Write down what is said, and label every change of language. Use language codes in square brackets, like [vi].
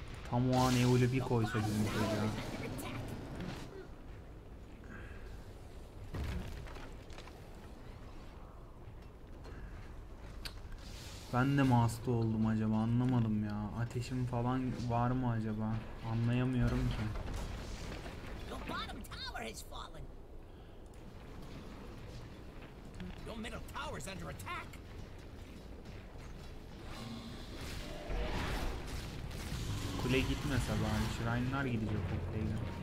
[tr] Tam o an Eul'ü bir koysa gümüşe ya. Ben de mi hasta oldum acaba, anlamadım ya. Ateşim falan var mı acaba? Anlayamıyorum ki. [en] Your bottom tower has fallen. Your middle tower is under attack. [tr] Kule gitmese bari, shrine'lar gidecek o kuleye.